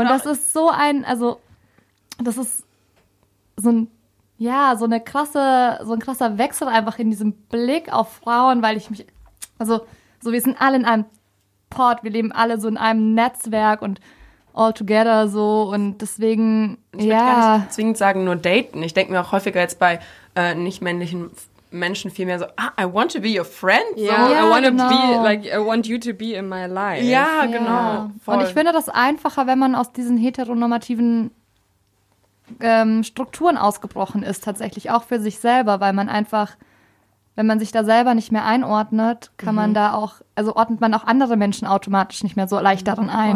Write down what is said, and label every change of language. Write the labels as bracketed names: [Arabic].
[German] Und das ist so ein, also, das ist so ein ja, so eine krasse, so ein krasser Wechsel einfach in diesem Blick auf Frauen, weil ich mich, also, so wir sind alle in einem Pod, wir leben alle so in einem Netzwerk und [English] all together [German] so und deswegen, ich ja. Ich würde gar nicht zwingend sagen, nur daten. Ich denke mir auch häufiger jetzt bei nicht-männlichen Menschen vielmehr so, ah, [English] I want to be your friend. Yeah. So, yeah, I want to [German] genau. [English] be, like, I want you to be in my life. [German] Ja, yeah. genau. Voll. Und ich finde das einfacher, wenn man aus diesen heteronormativen Strukturen ausgebrochen ist tatsächlich, auch für sich selber, weil man einfach, wenn man sich da selber nicht mehr einordnet, kann mhm. man da auch, also ordnet man auch andere Menschen automatisch nicht mehr so leicht daran ein.